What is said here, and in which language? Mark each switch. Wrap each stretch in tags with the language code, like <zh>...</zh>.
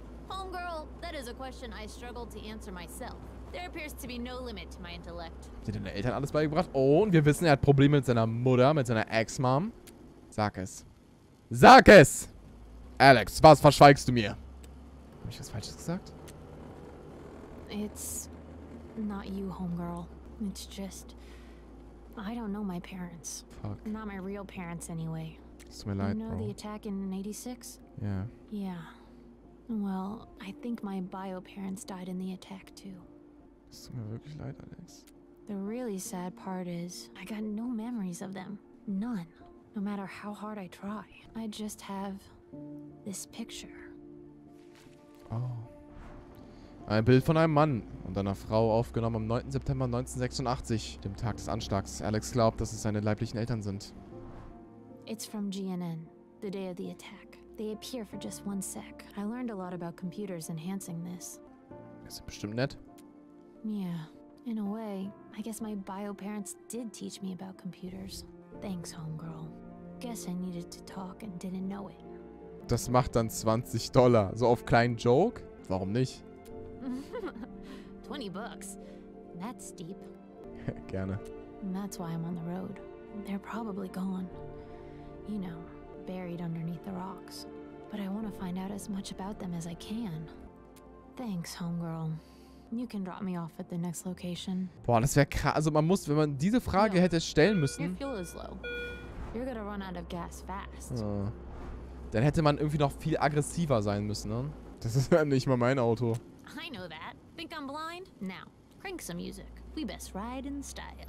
<en>Homegirl, that is a question I struggle to answer myself. There appears to be no limit to my intellect.</en> <de>Hat deine Eltern alles beigebracht? Oh, und wir wissen, er hat Probleme mit seiner Mutter, mit seiner Ex-Mom. Sag es. Sag es! Alex, was verschweigst du mir? Hab ich was Falsches gesagt?</de> <en>It's not you, homegirl. It's just... I don't know my parents. Fuck. Not my real parents, anyway. It's my life, you know, bro. The attack in 86? Yeah. Yeah. Well, I think my bio parents died in the attack, too. It's my</en> <de>wirklich leid, Alex.</de> <en>The really sad part is, I got no memories of them. None. No matter how hard I try. I just have this picture. Oh.</en> <de>Ein Bild von einem Mann und einer Frau, aufgenommen am 9. September 1986, dem Tag des Anschlags. Alex glaubt, dass es seine leiblichen Eltern sind.</de> <en>It's from GNN, the day of the attack. They appear for just one sec. I learned a lot about computers enhancing this.</en> <de>Ist bestimmt nett.</de> <en>Yeah, in a way, I guess my bio parents did teach me about computers. Thanks, homegirl. Guess I needed to talk and didn't know it.</en> <de>Das macht dann $20, so auf kleinen Joke? Warum nicht?</de> <en>20 bucks. That's deep.</en> <de>Gerne.</de> <en>And that's why I'm on the road. They're probably gone. You know, buried underneath the rocks. But I want to find out as much about them as I can. Thanks, homegirl. You can drop me off at the next location.</en> <de>Boah, das wäre krass. Also man muss, wenn man diese Frage hätte stellen müssen.</de> <en>Your fuel is low. You're gonna run out of gas fast.</en> <de>Dann hätte man irgendwie noch viel aggressiver sein müssen, ne? Das ist ja nicht mal mein Auto.</de> <en>I know that. Think I'm blind? Now, crank some music. We best ride in style.</en>